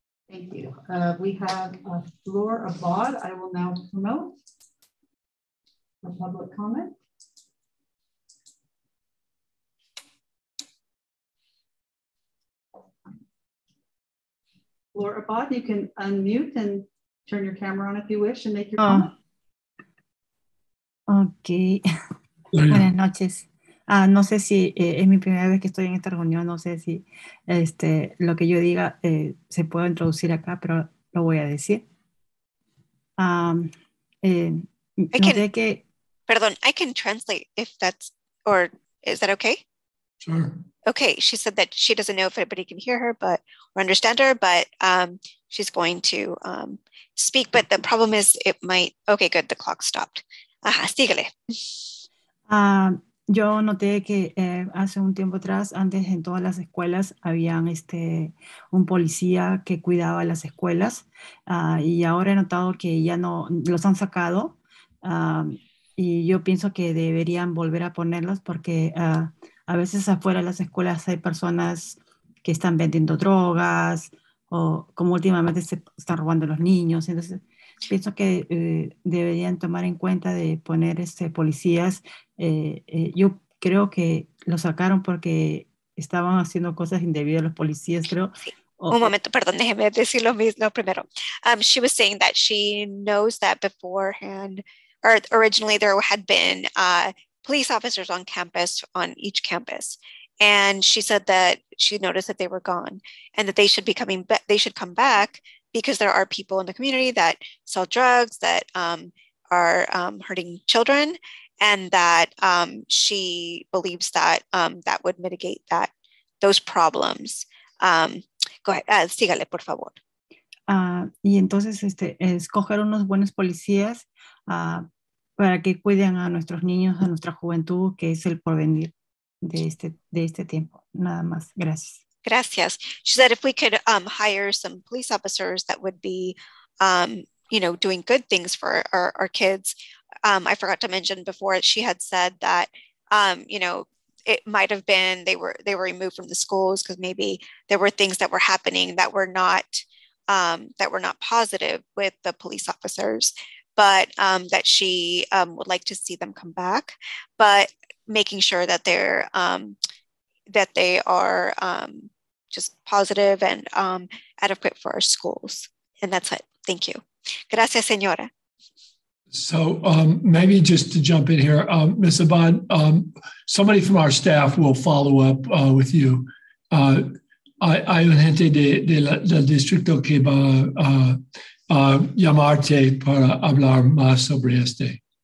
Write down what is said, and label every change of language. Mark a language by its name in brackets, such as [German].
[English] Thank you. We have Floor Abad. I will now promote the public comment. Floor Abad, you can unmute and turn your camera on if you wish and make your comment. [Spanish] Okay. Buenas noches. No sé si es mi primera vez que estoy en esta reunión, no sé si lo que yo diga se puede introducir acá, pero lo voy a decir. [English] I can, [Spanish] que, perdón, [English] I can translate if that's, or is that okay? Sure. Okay, she said that she doesn't know if anybody can hear her but or understand her, but she's going to speak, but the problem is it might, okay, good, the clock stopped. [Spanish] Ajá, sígale. Yo noté que hace un tiempo atrás, antes en todas las escuelas, habían un policía que cuidaba las escuelas y ahora he notado que ya no los han sacado y yo pienso que deberían volver a ponerlos porque a veces afuera de las escuelas hay personas que están vendiendo drogas o como últimamente se están robando los niños. Entonces, pienso que deberían tomar en cuenta de poner policías. Yo creo que lo sacaron porque estaban haciendo cosas indebidas los policías, creo. Sí. Un momento, perdón, déjeme decir lo mismo primero. [English] She was saying that she knows that beforehand, or originally there had been police officers on campus, on each campus. And she said that she noticed that they were gone and that they should be coming back, they should come back, because there are people in the community that sell drugs, that are hurting children, and that she believes that that would mitigate that those problems. Go ahead, [Spanish] sígale, por favor. Y entonces escoger unos buenos policías para que cuiden a nuestros niños, a nuestra juventud, que es el porvenir de este tiempo. Nada más, gracias. [English] Gracias. She said if we could hire some police officers that would be you know, doing good things for our kids. I forgot to mention before, she had said that, you know, it might have been they were removed from the schools because maybe there were things that were happening that were not positive with the police officers, but that she would like to see them come back, but making sure that they are just positive and adequate for our schools. And that's it. Thank you. [Spanish] Gracias, señora. [English] So maybe just to jump in here, Ms. Aban, somebody from our staff will follow up with you. [Spanish] Hay un gente del distrito que va a llamarte para hablar más sobre este.